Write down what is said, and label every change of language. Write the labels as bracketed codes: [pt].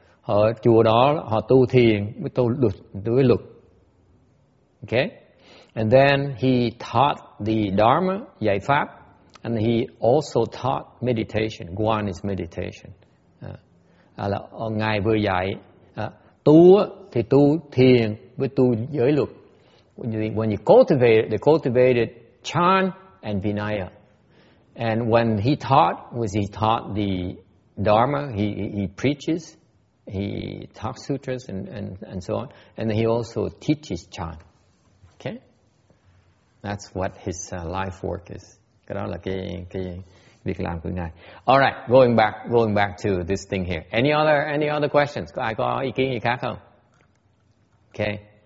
[vi] Ở chùa đó họ tu thiền với tu luật, với luật. [en] Okay? And then he taught the Dharma, [vi] dạy pháp, [en] and he also taught meditation. Guan is meditation. [vi] Ngài vừa dạy tu thì tu thiền với tu giới luật. [en] When they cultivated Chan and Vinaya. And when he taught the Dharma, he preaches, he talks sutras and so on, and he also teaches chan. Okay, that's what his life work is. [vi] Cái đó là cái việc làm của ngài. [en] All right, going back to this thing here. Any other questions? [vi] Ai có ý kiến gì khác không? Okay.